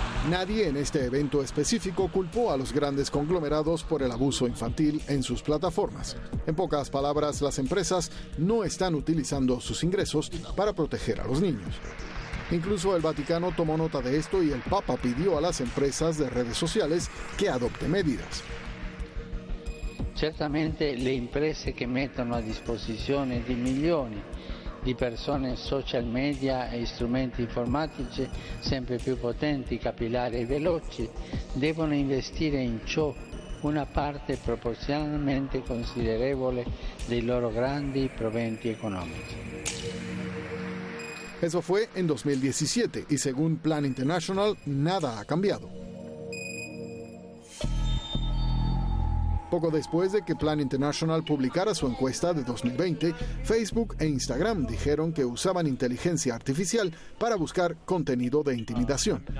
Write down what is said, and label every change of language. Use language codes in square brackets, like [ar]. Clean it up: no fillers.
[es] Nadie en este evento específico culpó a los grandes conglomerados por el abuso infantil en sus plataformas. En pocas palabras, las empresas no están utilizando sus ingresos para proteger a los niños. Incluso el Vaticano tomó nota de esto y el Papa pidió a las empresas de redes sociales que adopten medidas. [it] Certamente le imprese che mettono a disposizione di milioni di persone social media e strumenti informatici sempre più potenti, capillari e veloci devono investire in ciò una parte proporzionalmente considerevole dei loro grandi proventi economici. [es] Eso fue en 2017 y según Plan International, nada ha cambiado. Poco después de que Plan International publicara su encuesta de 2020, Facebook e Instagram dijeron que usaban inteligencia artificial para buscar contenido de intimidación.